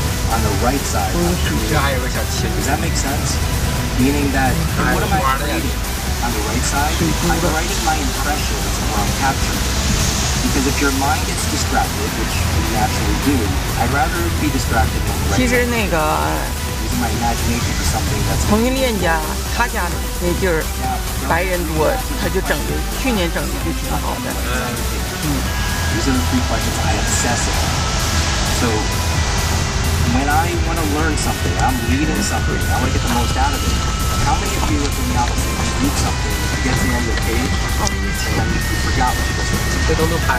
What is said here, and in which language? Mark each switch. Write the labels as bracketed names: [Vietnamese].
[English] On the right side, does that make sense? Meaning that, what am I writing on the right side? I'm writing my impressions while I'm capturing. Because if your mind gets distracted, which we naturally do, I'd rather be distracted than the right side. Using my imagination for something that's... [Chinese] 彭云链家，他家的那地儿白人多，他就整的，去年整的就挺好的。 [English] These are the three questions I obsess about. So,When I want to learn something, I'm reading something, I want to get the most out of it. How many of you look in the office and you read something, you get to the end of the page, and then you forgot what you just read? They don't know how.